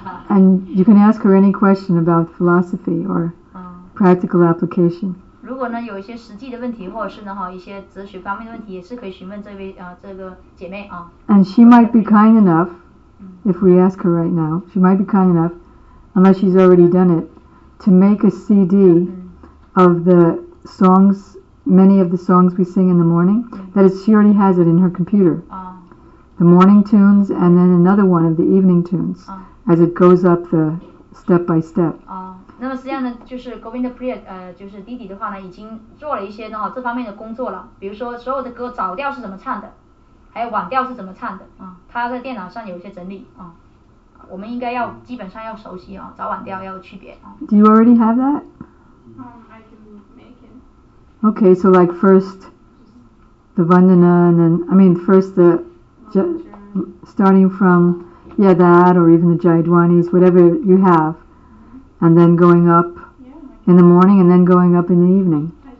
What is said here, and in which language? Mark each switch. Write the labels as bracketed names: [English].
[English] And you can ask her any question about philosophy or practical application. [Chinese] 如果呢, 有一些实际的问题, 或者是呢, 一些哲学方面的问题, 也是可以询问 这位, 这个姐妹, [English] And she might be kind enough, if we ask her right now, she might be kind enough, unless she's already done it, to make a CD of the songs, many of the songs we sing in the morning, that is, she already has it in her computer. The morning tunes, and then another one of the evening tunes, as it goes up the step by step. [Chinese] 那么实际上呢，就是 Govinda Priya， 就是弟弟的话呢，已经做了一些呢这方面的工作了。比如说所有的歌早调是怎么唱的，还有晚调是怎么唱的，他在电脑上有一些整理，我们应该要基本上要熟悉早晚调要有区别。 [English] Do you already have that? I can make it. Okay, so like first the Vandana, and then I mean first the starting from yeah that or even the Jayadwanis, whatever you have. And then going up in the morning, and then going up in the evening.